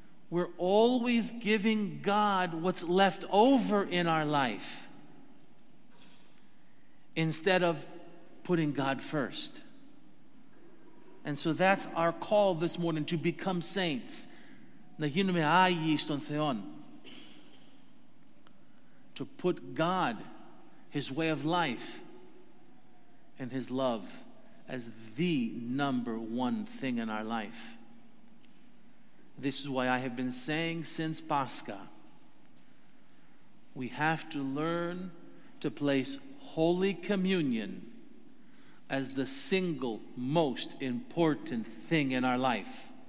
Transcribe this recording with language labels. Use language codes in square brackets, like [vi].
[en] We're always giving God what's left over in our life instead of putting God first. And so that's our call this morning, to become saints. [el] Να γίνουμε άγιοι στον Θεό. [en] To put God, His way of life, and His love as the number one thing in our life. This is why I have been saying since Pascha, we have to learn to place Holy Communion as the single most important thing in our life.